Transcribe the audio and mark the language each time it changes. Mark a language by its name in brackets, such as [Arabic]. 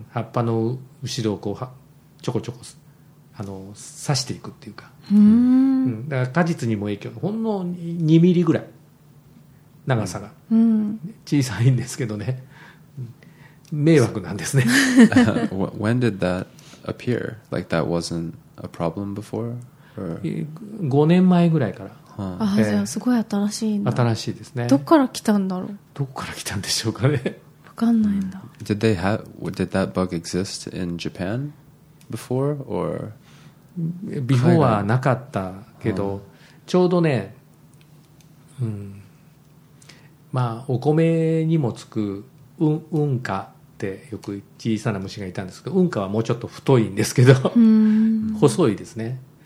[Japanese] 葉っぱの後ろをこうちょこちょこあの刺していくっていうか、だから果実にも影響、ほんの2ミリぐらい長さが、小さいんですけどね、迷惑なんですね。 [English] When did that appear? Like that wasn't a problem before? [Japanese] 5年前ぐらいから、すごい新しいな。新しいですね。どこから来たんだろう。どこから来たんでしょうかね。分かんないんだ。 [English] Did that bug exist in Japan before or? Before [Japanese] はなかったけど、ちょうどね、まあお米にもつくウンカってよく小さな虫がいたんですけど、ウンカはもうちょっと太いんですけど、細いですね。